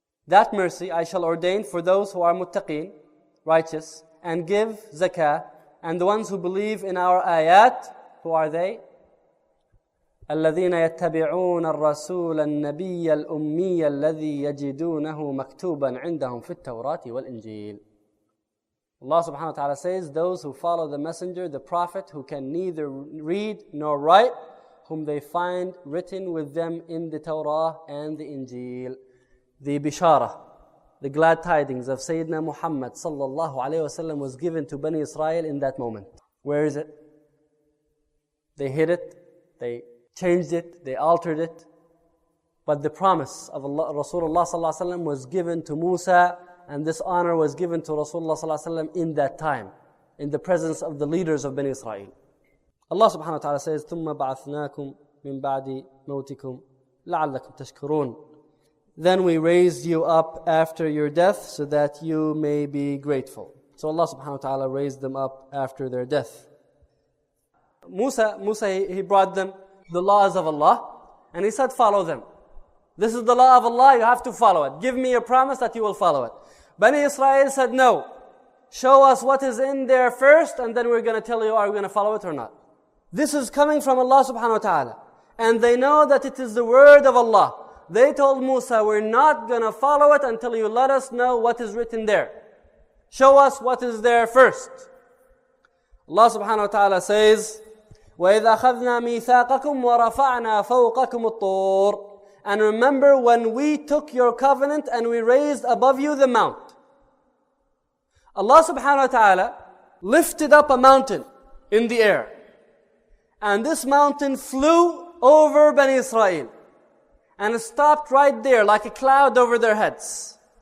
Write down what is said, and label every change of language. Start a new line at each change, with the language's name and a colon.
English: That mercy I shall ordain for those who are muttaqin, righteous, and give zakah, and the ones who believe in our ayat, who are they?
Arabic: الذين يتبعون الرسول النبي الأمي الذي يجدونه مكتوبا عندهم في التوراة والإنجيل.
English: Allah subhanahu wa ta'ala says, those who follow the messenger, the prophet, who can neither read nor write, whom they find written with them in the Torah and the Injil. The Bishara, the glad tidings of Sayyidina Muhammad sallallahu alayhi wa sallam was given to Bani Israel in that moment. Where is it? They hid it, they changed it, they altered it. But the promise of Allah, Rasulullah sallallahu alayhi wa sallam was given to Musa, and this honor was given to Rasulullah sallallahu alayhi wa sallam in that time, in the presence of the leaders of Bani Israel. Allah subhanahu wa ta'ala says,
Arabic: ثُمَّ بَعَثْنَاكُمْ مِنْ بَعْدِ مَوْتِكُمْ لَعَلَّكُمْ تَشْكُرُونَ.
English: Then we raised you up after your death so that you may be grateful. So Allah subhanahu wa ta'ala raised them up after their death. Musa, he brought them the laws of Allah, and he said, follow them. This is the law of Allah, you have to follow it. Give me a promise that you will follow it. Bani Israel said, no. Show us what is in there first, and then we're going to tell you, are we going to follow it or not? This is coming from Allah subhanahu wa ta'ala. And they know that it is the word of Allah. They told Musa, we're not going to follow it until you let us know what is written there. Show us what is there first. Allah subhanahu wa ta'ala says,
Arabic: وَإِذْ أَخَذْنَا مِيثَاقَكُمْ وَرَفَعْنَا فَوْقَكُمُ الطُّورِ.
English: And remember when we took your covenant and we raised above you the mount. Allah subhanahu wa ta'ala lifted up a mountain in the air. And this mountain flew over Bani Israel. And it stopped right there like a cloud over their heads.